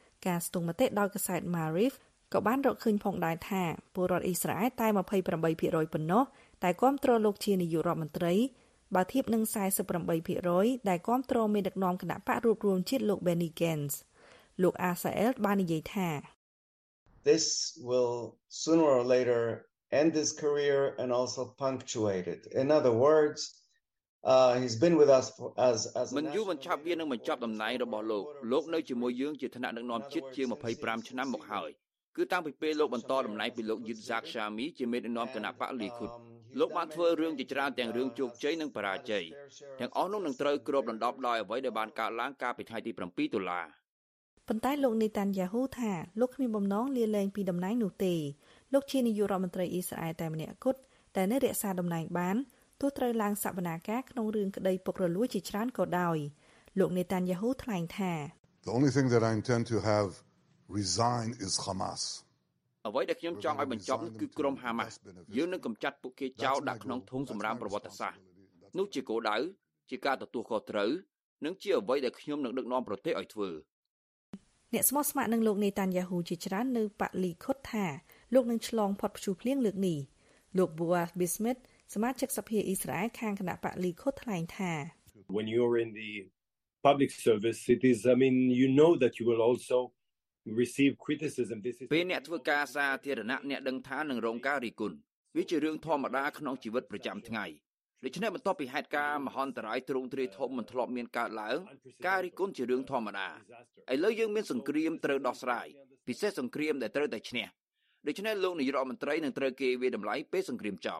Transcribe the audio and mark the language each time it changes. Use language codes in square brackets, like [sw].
[km] ការស្ទង់មតិដោយកាសែត Maariv ក៏បានរកឃើញផងដែរថាពលរដ្ឋអ៊ីស្រាអែលតែ 28% ប៉ុណ្ណោះតែគាំទ្រលោកជានាយករដ្ឋមន្ត្រីបើធៀបនឹង 48% ដែលគាំទ្រមានដឹកនាំគណៈបករួបរួមជាតិលោក Benny Gantz លោក Asael បាននិយាយថា [en] This will sooner or later end his career and also punctuate it. In other words, he's been with us for, as [km] មិនយូរបានឆាប់វានឹងបញ្ចប់តំណែងរបស់លោកលោកនៅជាមួយយើងជាថ្នាក់ដឹកនាំជាតិជា25ឆ្នាំមកហើយគឺតាំងពីពេលលោកបន្តតំណែងពីលោក Yitzhak Shami ជាមេដឹកនាំគណៈបកលីគុតលោកបានធ្វើរឿងជាច្រើនទាំងរឿងជោគជ័យនិងបរាជ័យទាំងអស់នោះនឹងត្រូវគ្របដណ្ដប់ដោយអ្វីដែលបានកើតឡើងកាលពីថ្ងៃទី7តុលា ប៉ុន្តែលោកណេតាញ៉ាហ៊ូថាលោកគ្មានបំណងលាលែងពីតំណែងនោះទេលោកជានាយករដ្ឋមន្ត្រីអ៊ីស្រាអែលតែម្នាក់គត់តែនៅរក្សាតំណែងបានទោះត្រូវឡើងសវនាការក្នុងរឿងក្តីពុករលួយជាច្រើនក៏ដោយលោកណេតាញ៉ាហ៊ូថ្លែងថា [en] The only thing that I intend to have resign is Hamas [km] អ្វីដែលខ្ញុំចង់ឲ្យបញ្ចប់នោះគឺក្រុមហាម៉ាស់យើងនឹងកម្ចាត់ពួកគេចោលដាក់ក្នុងធុងសម្រាមប្រវត្តិសាស្ត្រនោះជាគោលដៅជាការទទួលខុសត្រូវនិងជាអ្វីដែលខ្ញុំនឹងដឹកនាំប្រទេសឲ្យធ្វើ អ្នកស្មោះស្ម័គ្រនឹងលោកណេតាញ៉ាហ៊ូជាច្រើននៅប៉ាលីខុតថាលោកនឹងឆ្លងផុតព្យុះភ្លៀងលើកនេះលោកបូអាសប៊ីស្មិតសមាជិកសភាអ៊ីស្រាអែលខាងគណៈប៉ាលីខុតថ្លែងថា [en] When you're in the public service it is I mean you know that you will also receive criticism this is [km] ពេលអ្នកធ្វើការសាធារណៈអ្នកដឹងថានឹងរងការរិះគន់វាជារឿងធម្មតាក្នុងជីវិតប្រចាំថ្ងៃដូច្នេះបន្ទាប់ពីហេតុការណ៍មហន្តរាយទ្រង់ទ្រាយធំមិនធ្លាប់មានកើតឡើងការរិះគន់ជារឿងធម្មតាឥឡូវយើងមានសង្គ្រាមត្រូវដោះស្រាយពិសេសសង្គ្រាមដែលត្រូវតែឈ្នះដូច្នេះលោកនាយរដ្ឋមន្ត្រីនឹងត្រូវគេវាតម្លៃពេលសង្គ្រាមចប